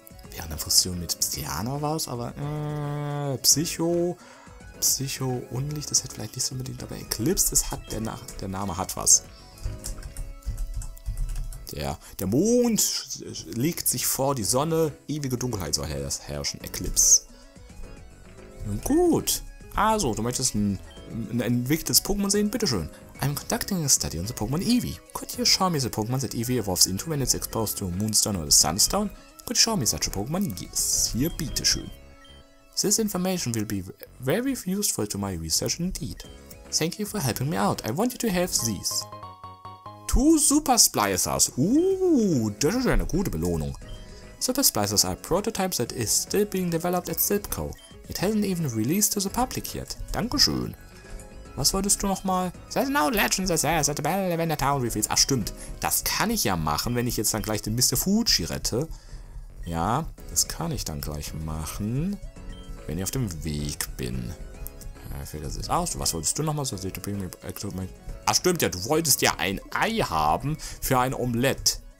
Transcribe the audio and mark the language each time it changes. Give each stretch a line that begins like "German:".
German: Während der Fusion mit Psyana war es, aber Psycho, Unlicht, das hätte vielleicht nicht so unbedingt, aber Eclipse, das hat, der Name hat was. Der Mond legt sich vor, die Sonne, ewige Dunkelheit soll herrschen, Eclipse. Nun gut, also, du möchtest ein entwickeltes Pokémon sehen? Bitteschön.
English: I'm conducting a study on the Pokémon Eevee. Could you show me the Pokémon that Eevee evolves into when it's exposed to Moonstone or the Sunstone? Could you show me such a Pokémon? Yes,
German: hier, bitteschön.
English: This information will be very useful to my research indeed. Thank you for helping me out. I want you to have these. 2 Super Splicers.
German: Das ist eine gute Belohnung.
English: Super Splicers are prototypes that is still being developed at Slipco. It hasn't even released to the public yet.
German: Dankeschön. Was wolltest du nochmal?
English: There's no legends there, at the battle event the town reveals.
German: Ach stimmt, das kann ich ja machen, wenn ich jetzt dann gleich den Mr. Fuji rette. Ja, das kann ich dann gleich machen. Wenn ich auf dem Weg bin. Fällt das jetzt aus? Was wolltest du nochmal? Ach stimmt ja, du wolltest ja ein Ei haben für ein Omelette.